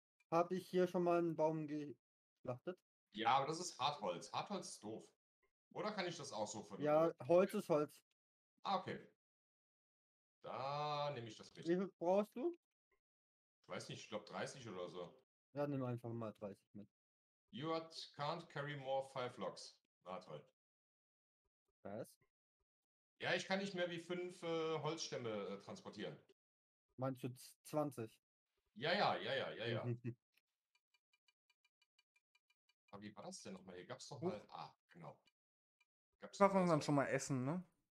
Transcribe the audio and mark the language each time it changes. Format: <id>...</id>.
<de>Habe ich hier schon mal einen Baum geschlachtet? Ja, aber das ist Hartholz. Hartholz ist doof. Oder kann ich das auch so verwenden? Ja, Holz ist Holz. Ah, okay. Da nehme ich das mit. Wie viel brauchst du? Ich weiß nicht, ich glaube 30 oder so. Ja, nimm einfach mal 30 mit.</de> <en>You can't carry more 5 logs.</en> <de>Warte halt. Was? Ja, ich kann nicht mehr wie 5 Holzstämme transportieren. Meinst du 20? Ja. Aber wie war das denn nochmal? Hier gab's doch mal. Ah, genau. Gab's doch dann schon mal essen, ne?</de>